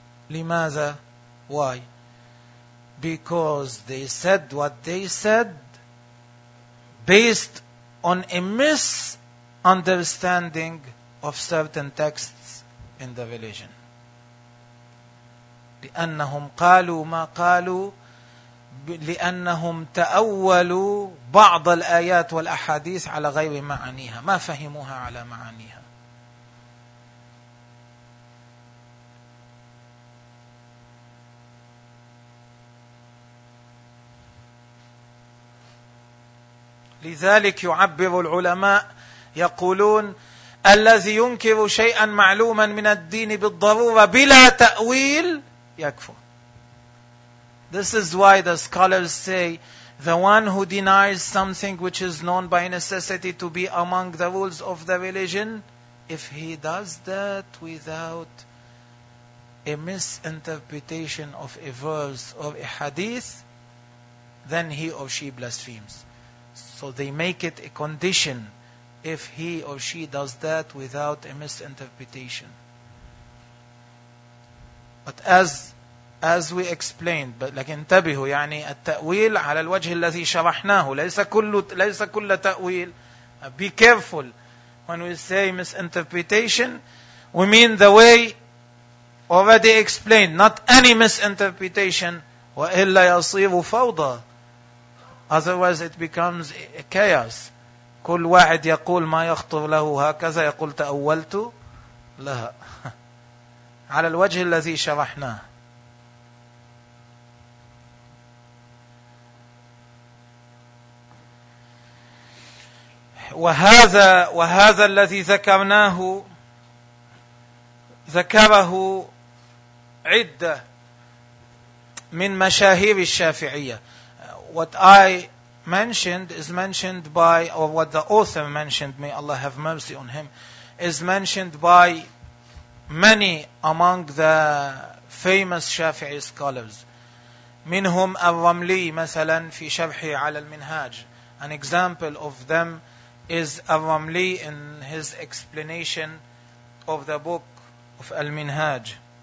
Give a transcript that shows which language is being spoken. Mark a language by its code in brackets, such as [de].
[ar] لماذا? [en] Why? Because they said what they said based on a misunderstanding of certain texts in the religion. [ar] لأنهم قالوا ما قالوا لأنهم تأولوا بعض الآيات والأحاديث على غير معانيها ما فهموها على معانيها. لذلك يعبر العلماء يقولون الذي ينكر شيئا معلوما من الدين بالضرورة بلا تأويل يكفر. [en] This is why the scholars say the one who denies something which is known by necessity to be among the rules of the religion, if he does that without a misinterpretation of a verse or a hadith, then he or she blasphemes. So they make it a condition if he or she does that without a misinterpretation. But as we explained, but like [ar] انتبهوا يعني التأويل على الوجه الذي شرحناه ليس كل تأويل. [en] Be careful when we say misinterpretation, we mean the way already explained, not any misinterpretation. [ar] وإلا يصير فوضى. [en] Otherwise it becomes a chaos. [ar] كل واحد يقول ما يخطر له هكذا يقول تأولت لها على الوجه الذي شرحناه. وهذا الذي ذكرناه ذكره عدة من مشاهير الشافعية. [en] What I mentioned is mentioned by, or what the author mentioned, may Allah have mercy on him, is mentioned by many among the famous Shafi'i scholars. [ar] منهم الرملي مثلا في شرحه على المنهاج. [en] An example of them is الرملي in his explanation of the book of المنهاج.